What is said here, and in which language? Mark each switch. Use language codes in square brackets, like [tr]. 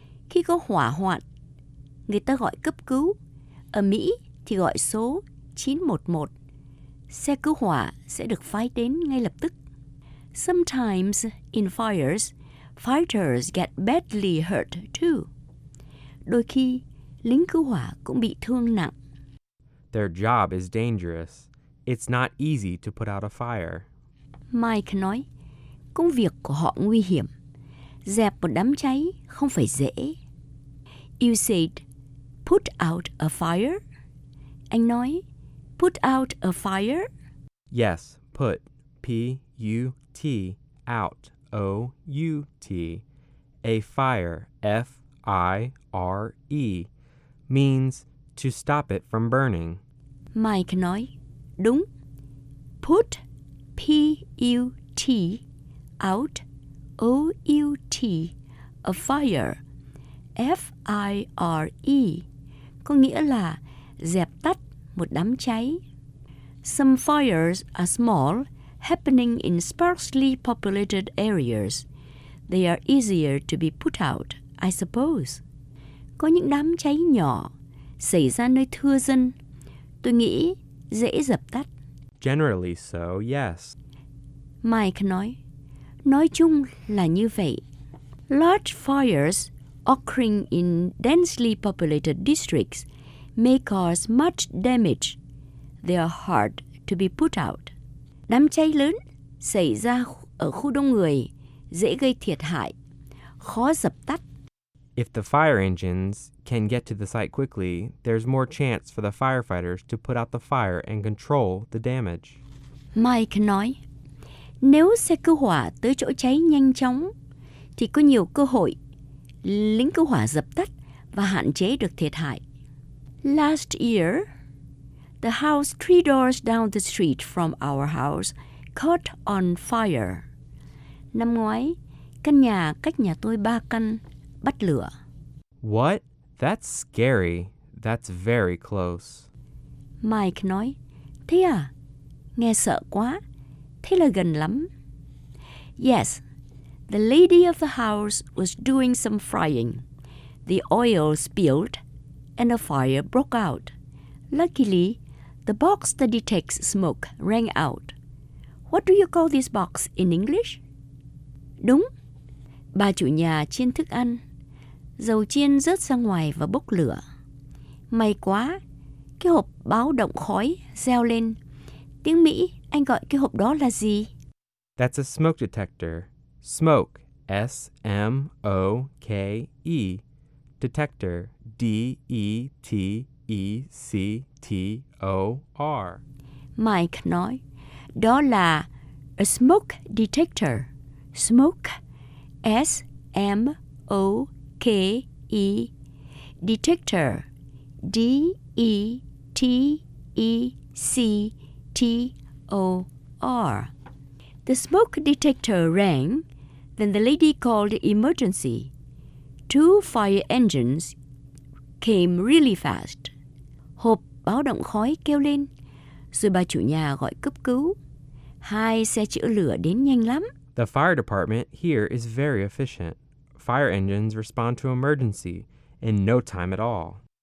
[vi] Khi có hỏa hoạn, người ta gọi cấp cứu. Ở Mỹ thì gọi số 911. Xe cứu hỏa sẽ được phái đến ngay lập tức. [en] Sometimes in fires, fighters get badly hurt too. [vi] Đôi khi, lính cứu hỏa cũng bị thương nặng. [en] Their job is dangerous. It's not easy to put out a fire. [vi] Mike nói, công việc của họ nguy hiểm. Dẹp một đám cháy không phải dễ. [en] You said, put out a fire? [vi] Anh nói, [en] put out a fire? Yes, put. P-U-T. Out. O-U-T. A fire. F-I-R-E. Means to stop it from burning. [vi] Mike nói, đúng. [en] Put. P-U-T. Out. O-U-T. A fire. F-I-R-E. [vi] Có nghĩa là dẹp tắt một đám cháy. [en] Some fires are small, happening in sparsely populated areas. They are easier to be put out, I suppose. [vi] Có những đám cháy nhỏ xảy ra nơi thưa dân. Tôi nghĩ dễ dập tắt. [en] Generally so, yes. [vi] Mike nói, nói chung là như vậy. [en] Large fires occurring in densely populated districts may cause much damage. They are hard to be put out. [vi] Đám cháy lớn xảy ra ở khu đông người, dễ gây thiệt hại, khó dập tắt. [en] If the fire engines can get to the site quickly, there's more chance for the firefighters to put out the fire and control the damage. [vi] Mike nói, nếu xe cứu hỏa tới chỗ cháy nhanh chóng, thì có nhiều cơ hội lính cứu hỏa dập tắt và hạn chế được thiệt hại. [en] Last year, the house 3 doors down the street from our house caught on fire. [vi] Năm ngoái, căn nhà cách nhà tôi 3 căn bắt lửa. [en] What? That's scary. That's very close. [vi] Mike nói, thế à? Nghe sợ quá. Thế là gần lắm. [en] Yes, the lady of the house was doing some frying. The oil spilled and a fire broke out. Luckily, the box that detects smoke rang out. What do you call this box in English? [vi] Đúng. Bà chủ nhà chiên thức ăn. Dầu chiên rớt ra ngoài và bốc lửa. May quá, cái hộp báo động khói reo lên. Tiếng Mỹ, anh gọi cái hộp đó là gì? [en] That's a smoke detector. Smoke, S-M-O-K-E. Detector, D-E-T-E-C-T-O-R. [vi] Mike nói, đó là a smoke detector. [en] Smoke, S-M-O-K-E. Detector, D-E-T-E-C-T-O-R. The smoke detector rang, then the lady called emergency. 2 fire engines came really fast. [vi] Hộp báo động khói kêu lên, rồi bà chủ nhà gọi cấp cứu. 2 xe chữa lửa đến nhanh lắm. [en] The fire department here is very efficient. Fire engines respond to emergency in no time at all.